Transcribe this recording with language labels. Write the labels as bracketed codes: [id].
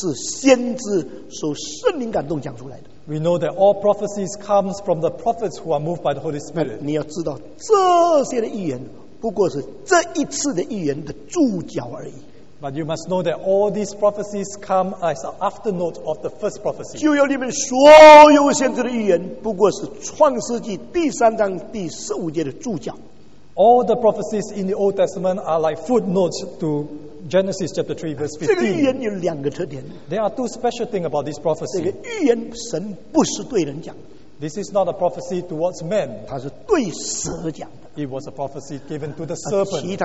[zh] 我们通常都知道所有的预言是先知受圣灵感动讲出来的, [en] we know that all prophecies comes from the prophets who are moved by the Holy Spirit. [zh] 你要知道这些的预言不过是这一次的预言的注脚而已, [en] but you must know that all these prophecies come as an afternote of the first prophecy. [zh] 旧约里面所有先知的预言不过是创世纪第三章第十五节的注脚, [en] all the prophecies in the Old Testament are like footnotes to Genesis chapter 3 verse 15. [zh] 这个预言有两个特点, [en] there are two special things about this prophecy. [zh] 这个预言神不是对人讲, [en] this is not a prophecy towards men. [zh] 它是对蛇讲的, [en] it was a prophecy given to the serpent.